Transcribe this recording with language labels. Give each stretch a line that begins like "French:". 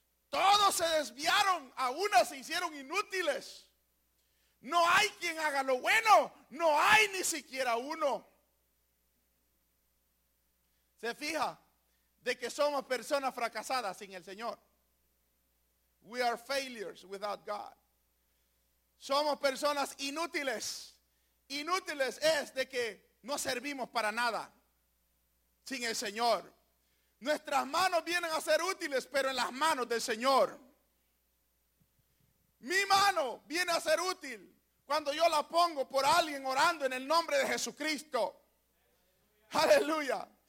Spanish: Todos se desviaron, a una se hicieron inútiles. No hay quien haga lo bueno. No hay ni siquiera uno. Se fija de que somos personas fracasadas sin el Señor.
English: We are failures without God.
Spanish: Somos personas inútiles. Inútiles es de que no servimos para nada sin el Señor. Nuestras manos vienen a ser útiles, pero en las manos del Señor. Mi mano viene a ser útil cuando yo la pongo por alguien orando en el nombre de Jesucristo. Aleluya.